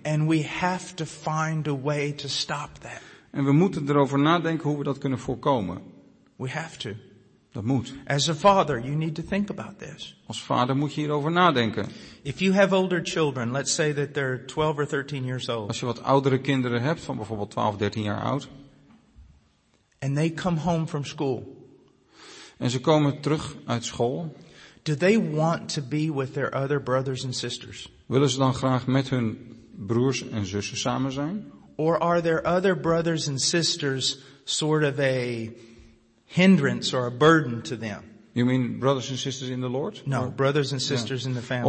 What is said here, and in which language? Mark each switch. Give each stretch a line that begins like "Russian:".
English: And we have to find a way to stop that.
Dutch: En we moeten erover nadenken hoe we dat kunnen voorkomen.
English: We have to.
Dutch: Dat moet.
English: As a father, you need to think about this.
Dutch: Als vader moet je hierover nadenken.
English: If you have older children, let's say that they're 12 or 13 years old.
Dutch: Als je wat oudere kinderen hebt, van bijvoorbeeld 12, 13 jaar oud.
English: And they come home from school.
Dutch: En ze komen terug uit school.
English: Do they want to be with their other brothers and sisters?
Dutch: Willen ze dan graag met hun broers en zussen samen zijn?
English: Or are there other brothers and sisters sort of a hindrance or a burden to them? You mean brothers and sisters in the Lord? No, or brothers and sisters, yeah, in the family.